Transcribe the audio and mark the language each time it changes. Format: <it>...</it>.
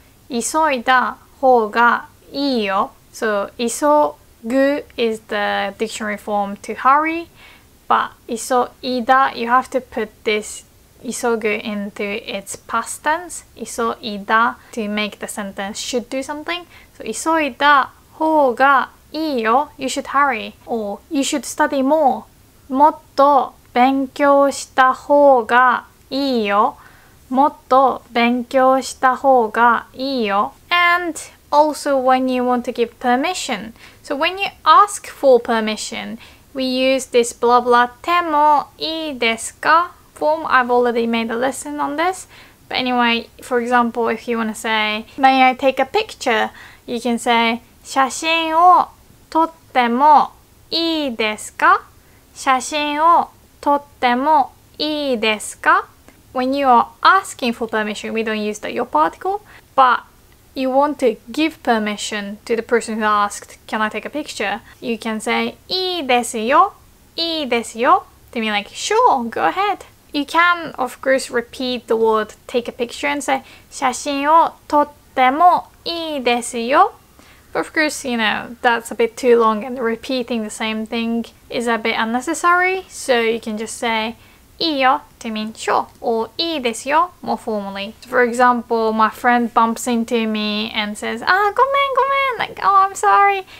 <ja>急いだ方がいいよ。</ja> <en>So 急ぐ is the dictionary form to hurry. But 急いだ, you have to put this 急ぐ into its past tense. 急いだ to make the sentence should do something. So</en> <ja>急いだ方がいいよ.</ja> <en>You should hurry. Or you should study more.</en> <ja>もっと勉強した方がいいよ. もっと勉強した方がいいよ.</ja> <en>And also when you want to give permission. So when you ask for permission,We use this blah blah てもいいですか form. I've already made a lesson on this. But anyway, for example, if you want to say, May I take a picture? You can say,</en> <ja>写真を撮ってもいいですか写真を撮ってもいいですか</ja> <en>When you are asking for permission, we don't use the your particle. But you want to give permission to the person who asked, can I take a picture? You can say,</en> <ja>いいですよ、いいですよ。</ja> <en>To mean like, sure, go ahead. You can, of course, repeat the word take a picture and say,</en> <ja>写真を撮ってもいいですよ。</ja> <en>But of course, you know, that's a bit too long and repeating the same thing is a bit unnecessary. So you can just say,</en> <ja>いいよ</ja> <en>to mean sure or</en> <ja>いいですよ</ja> <en>more formally. For example, my friend bumps into me and says, ah,</en> <ja>ごめんごめん</ja> <en>like, oh, I'm sorry.</en>